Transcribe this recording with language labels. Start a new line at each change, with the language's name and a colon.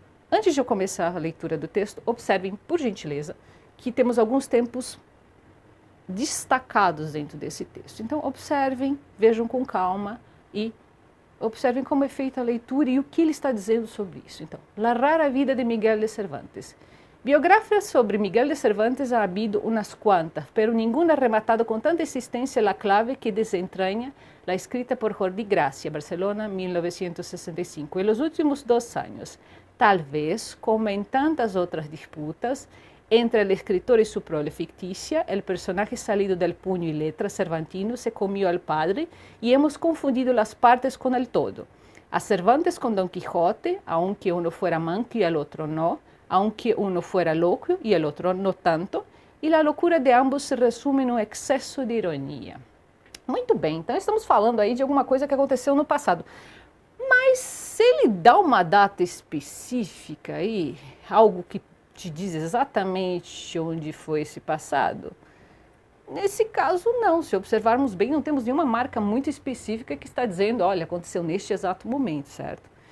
Portuguese: Antes de eu começar a leitura do texto, observem, por gentileza, que temos alguns tempos destacados dentro desse texto. Então, observem, vejam com calma e observem como é feita a leitura e o que ele está dizendo sobre isso. Então,
Spanish: La rara vida de Miguel de Cervantes. Biografías sobre Miguel de Cervantes ha habido unas cuantas, pero ninguna ha rematado con tanta insistencia la clave que desentraña la escrita por Jordi Gracia, Barcelona, 1965, en los últimos 2 años. Tal vez, como en tantas otras disputas entre el escritor y su prole ficticia, el personaje salido del puño y letra cervantino se comió al padre y hemos confundido las partes con el todo. A Cervantes con Don Quijote, aunque uno fuera manco y el otro no, aunque uno fuera loco y el otro no tanto, y la locura de ambos se resume en un exceso de ironía.
Portuguese: Muito bem, então estamos falando aí de alguma coisa que aconteceu no passado. Mas se ele dá uma data específica aí, algo que te diz exatamente onde foi esse passado, nesse caso não. Se observarmos bem, não temos nenhuma marca muito específica que está dizendo, olha, aconteceu neste exato momento, certo?